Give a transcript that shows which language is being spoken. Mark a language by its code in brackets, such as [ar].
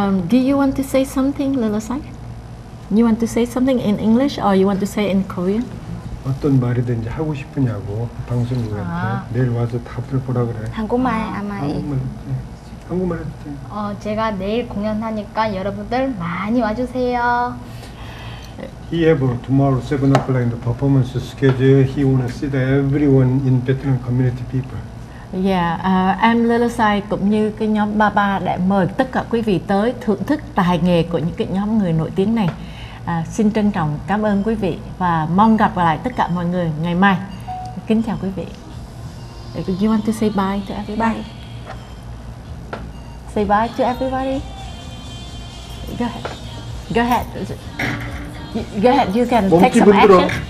[en] Do you want to say something, Lilo Sai? You want to say something in English or you want to say in Korean? [ko] 어떤 말이든지 하고 싶으냐고 방송국한테 내일 와서 답을 보라 그래. 한국말 아마. 한국말. 한국말 해도 돼. 어, 제가 내일 공연하니까 여러분들 많이 와주세요. [en] He have a tomorrow 7 o'clock in the performance schedule. He want to see the everyone in Vietnam community people. [vi] Yeah, em Lê Lô Sai cũng như cái nhóm Ba Ba đã mời tất cả quý vị tới thưởng thức tài nghề của những cái nhóm người nổi tiếng này. Xin trân trọng cảm ơn quý vị và mong gặp lại tất cả mọi người ngày mai. Kính chào quý vị. [en] Do you want to say bye to everybody? Bye. Say bye to everybody. Go ahead. Go ahead. Go ahead, you can take some action.